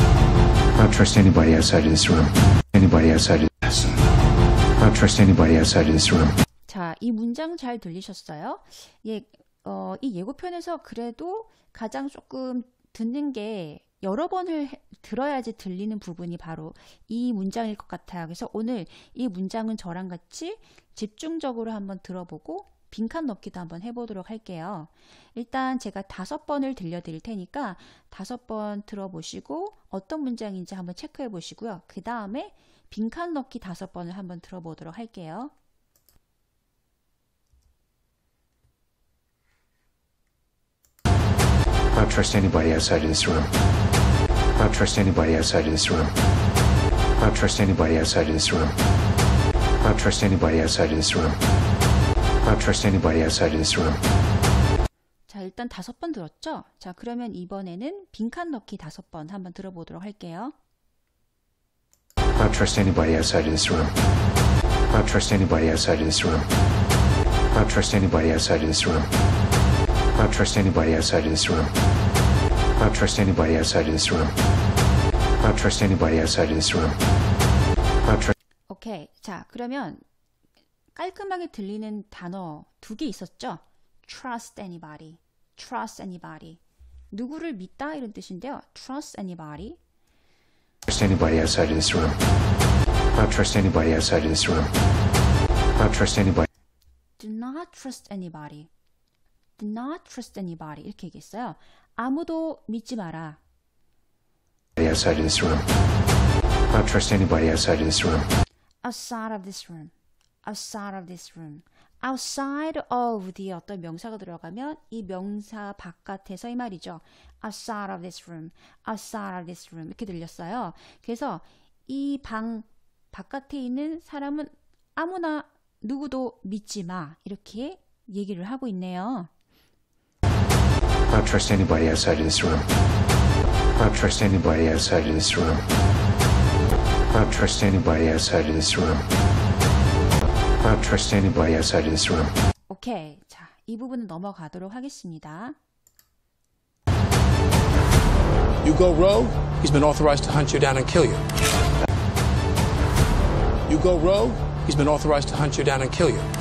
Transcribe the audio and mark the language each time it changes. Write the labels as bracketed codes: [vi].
[en] I don't trust anybody outside of this room. Anybody outside of this room. I don't trust anybody outside of this room. [ko] 자, 이 문장 잘 들리셨어요? 예, 이 예고편에서 그래도 가장 조금 듣는 게 여러 번을 들어야지 들리는 부분이 바로 이 문장일 것 같아요. 그래서 오늘 이 문장은 저랑 같이 집중적으로 한번 들어보고 빈칸 넣기도 한번 해보도록 할게요. 일단 제가 다섯 번을 들려드릴 테니까 다섯 번 들어보시고 어떤 문장인지 한번 체크해 보시고요. 그 다음에 빈칸 넣기 다섯 번을 한번 들어보도록 할게요. [en] I don't trust anybody outside of this room. I don't trust anybody outside of this room. I don't trust anybody outside of this room. I don't trust anybody outside of this room. I don't trust anybody outside of this room. [ko] 자, 일단 다섯 번 들었죠? 자, 그러면 이번에는 빈칸 넣기 다섯 번 한번 들어보도록 할게요. [en] I don't trust anybody outside of this room. I don't trust anybody outside of this room. I don't trust anybody outside of this room. I don't trust anybody outside of this room. I don't trust anybody outside of this room. I don't trust anybody outside of this room. Okay. [ko] 자, 그러면 깔끔하게 들리는 단어 두 개 있었죠? [en] Trust anybody. Trust anybody. [ko] 누구를 믿다 이런 뜻인데요. [en] Trust anybody. Trust anybody outside of this room. I don't trust anybody outside of this room. I don't trust anybody. Do not trust anybody. Do not trust anybody. [ko] 이렇게 얘기했어요. 아무도 믿지 마라. [en] Outside of this room. I don't trust anybody outside of this room. Outside of this room. Outside of this room. Outside of [ko] 뒤에 어떤 명사가 들어가면 이 명사 바깥에서 이 말이죠. [en] Outside of this room. Outside of this room. [ko] 이렇게 들렸어요. 그래서 이 방 바깥에 있는 사람은 아무나 누구도 믿지 마. 이렇게 얘기를 하고 있네요. [en] I don't trust anybody outside of this room. I don't trust anybody outside of this room. I don't trust anybody outside of this room. I don't trust anybody outside of this room. Okay. [ko] 자, 이 부분은 넘어가도록 하겠습니다. [en] You go rogue, he's been authorized to hunt you down and kill you. You go rogue, he's been authorized to hunt you down and kill you.